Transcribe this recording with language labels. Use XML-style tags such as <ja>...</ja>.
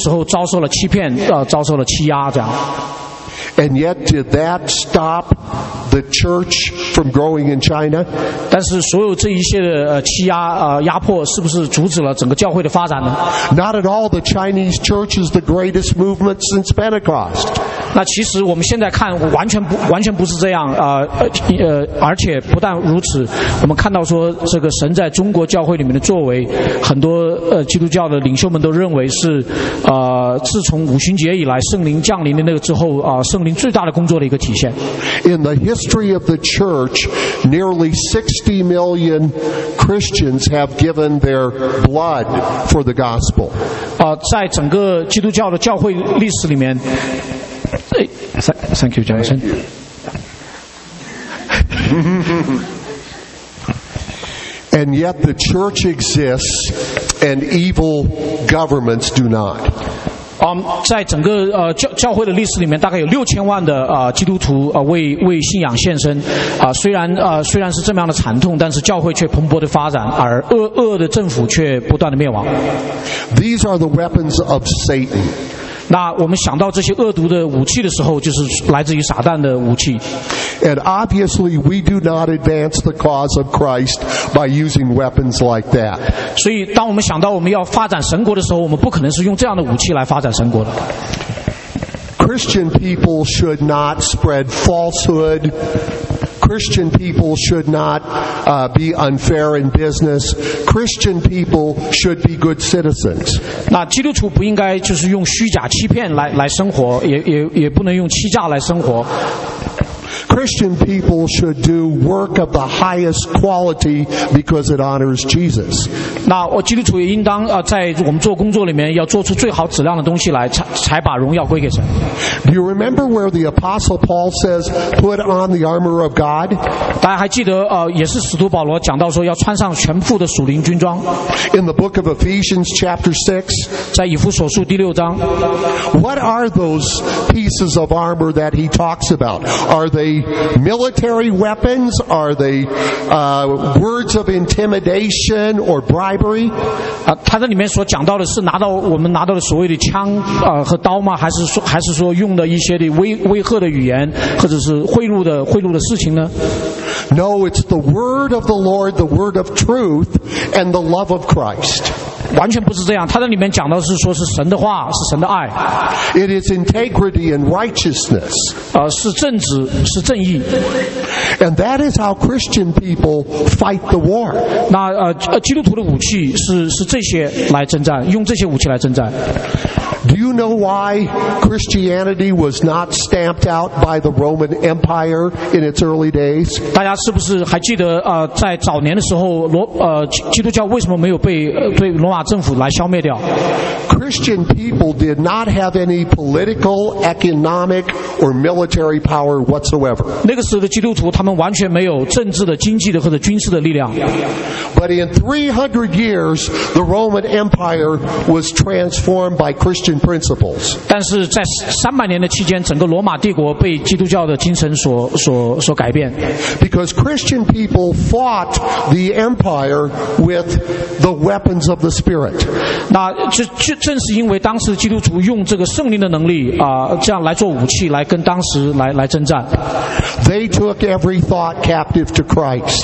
<en>OK，sorry，</en> <zh>哦，所以对不起，我这个刚才没有理解。所以那我想他刚才讲的意思，讲员讲的意思就是说，我们在看这个在中国的教会的一些发展史里面，有些时候受到政府的控制的这里面，也是很多的时候遭受了欺骗，遭受了欺压这样。</zh> <en>And yet, did that stop the church from growing in China?</en> <zh>但是所有这一切的欺压、压迫，是不是阻止了整个教会的发展呢？</zh> <en>Not at all. The Chinese church is the greatest movement since Pentecost.</en> <zh>那其实我们现在看完全不是这样，而且不但如此，我们看到说这个神在中国教会里面的作为，很多基督教的领袖们都认为是，自从五旬节以来圣灵降临的那个之后啊。圣灵最大的工作的一个体现。</zh> <en>In the history of the church, nearly 60 million Christians have given their blood for the gospel.</en> <zh>在整个基督教的教会历史里面</zh> <en>Thank you, Jonathan. And yet the church exists and evil governments do not.</en> <zh>在整个教会的历史里面大概有6000万的基督徒为信仰献身。虽然是这么样的惨痛，但是教会却蓬勃的发展，而恶的政府却不断的灭亡。</zh> <en>These are the weapons of Satan.</en> <zh>那我们想到这些恶毒的武器的时候，就是来自于撒旦的武器。</zh> <en>And obviously we do not advance the cause of Christ by using weapons like that.</en> <zh>所以当我们想到我们要发展神国的时候，我们不可能是用这样的武器来发展神国的。</zh> <en>Christian people should not spread falsehood. Christian people should not be unfair in business. Christian people should be good citizens.</en> <zh>那基督徒不应该就是用虚假欺骗来生活，也不能用欺诈来生活。</zh> <en>Christian people should do work of the highest quality because it honors Jesus.</en> <zh>那基督徒也应当在我们做工作里面要做出最好质量的东西来，才把荣耀归给神。</zh> <en>Do you remember where the Apostle Paul says, "Put on the armor of God"?</en> <zh>大家还记得也是使徒保罗讲到说要穿上全副的属灵军装。</zh> <en>In the book of Ephesians, chapter 6,</en> <zh>在以弗所书第六章。</zh> <en>What are those pieces of armor that he talks about? Are they military weapons? Are they words of intimidation or bribery?</en> <zh>他在里面所讲到的是拿到的所谓的枪和刀吗？还是说用的一些的威吓的语言，或者是贿赂的事情呢？</zh> <en>No, it's the word of the Lord, the word of truth, and the love of Christ.</en> <zh>完全不是这样，他在里面讲到是说是神的话，是神的爱。</zh> <en>It is integrity and righteousness.</en> <zh>是正直。是正义。</zh> <en>And that is how Christian people fight the war.</en> <zh>那基督徒的武器是这些来征战，用这些武器来征战。</zh> <en>Do you know why Christianity was not stamped out by the Roman Empire in its early days?</en> <zh>大家是不是还记得在早年的时候，基督教为什么没有被对罗马政府来消灭掉？</zh> <en>Christian people did not have any political, economic, or military power whatsoever.</en> <zh>那个时候的基督徒，他们完全没有政治的、经济的或者军事的力量。</zh> <en>But in 300 years, the Roman Empire was transformed by Christian principles.</en> <zh>但是在300年的期间，整个罗马帝国被基督教的精神所改变。</zh> <en>Because Christian people fought the empire with the weapons of the Spirit.</en> <zh>那就正是因为当时基督徒用这个圣灵的能力这样来做武器，来跟当时来征战。</zh> <en>They took every thought captive to Christ.</en>